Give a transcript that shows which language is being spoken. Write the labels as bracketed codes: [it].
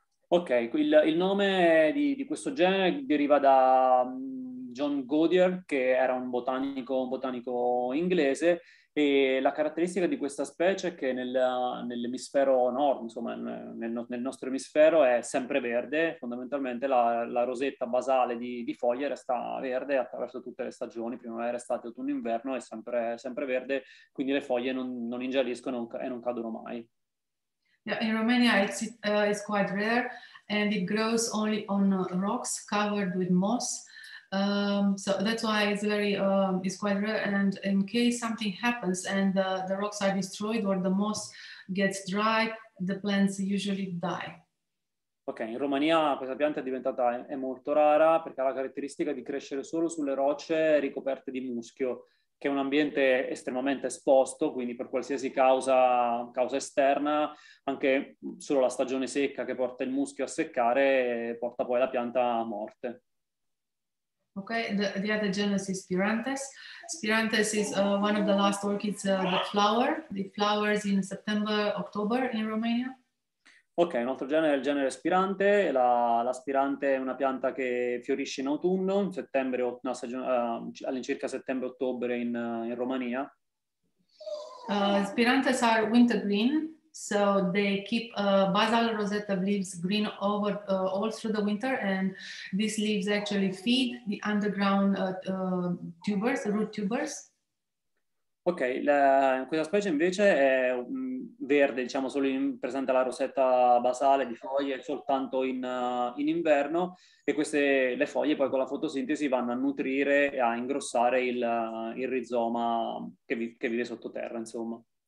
[it] Ok, il nome di questo genere deriva da John Goodyear, che era un botanico inglese, e la caratteristica di questa specie è che nell'emisfero nord, insomma, nel nostro emisfero, è sempre verde. Fondamentalmente la rosetta basale di foglie resta verde attraverso tutte le stagioni, primavera, estate, autunno, inverno, è sempre, sempre verde, quindi le foglie non ingialliscono e non cadono mai. [en] Yeah, in Romania it's quite rare, and it grows only on rocks covered with moss. So that's why it's very, it's quite rare. And in case something happens and the rocks are destroyed or the moss gets dry, the plants usually die. [it] Ok, in Romania questa pianta è diventata, è molto rara perché ha la caratteristica di crescere solo sulle rocce ricoperte di muschio, che è un ambiente estremamente esposto, quindi per qualsiasi causa esterna, anche solo la stagione secca che porta il muschio a seccare porta poi la pianta a morte. [en] Ok, the other genus is Spirantes. Spirantes is one of the last orchids that flower. It flowers in September, October in Romania. [it] Ok, un altro genere è il genere Spirante. La Spirante è una pianta che fiorisce in autunno, in settembre, una stagione, all'incirca settembre-ottobre in Romania. [en] Spirantes are wintergreen, so they keep a basal rosette of leaves green over all through the winter, and these leaves actually feed the underground tubers, the root tubers. [it] Ok, questa specie invece è verde, diciamo, solo presenta la rosetta basale di foglie soltanto in inverno, e queste le foglie poi con la fotosintesi vanno a nutrire e a ingrossare il rizoma che vive sottoterra, insomma.